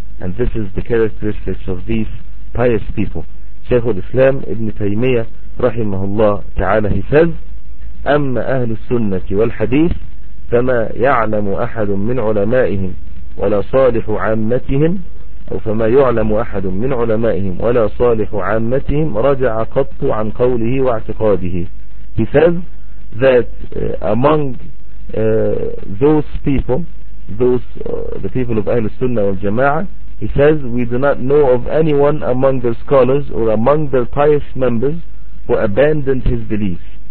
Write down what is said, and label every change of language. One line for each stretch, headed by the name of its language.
English: And this is the characteristics of these pious people. Shaykh al-Islam Ibn Taymiyyah rahimahullah ta'ala, he says,
Arabic: أما أهل السنة والحديث فما يعلم أحد من علمائهم ولا صالح عامتهم أو فما يعلم أحد من علمائهم ولا صالح عامتهم رجع قط عن قوله واعتقاده.
English: He says that among those people, the people of Ahlus Sunnah wal Jama'ah, he says, we do not know of anyone among their scholars or among their pious members who abandoned his beliefs.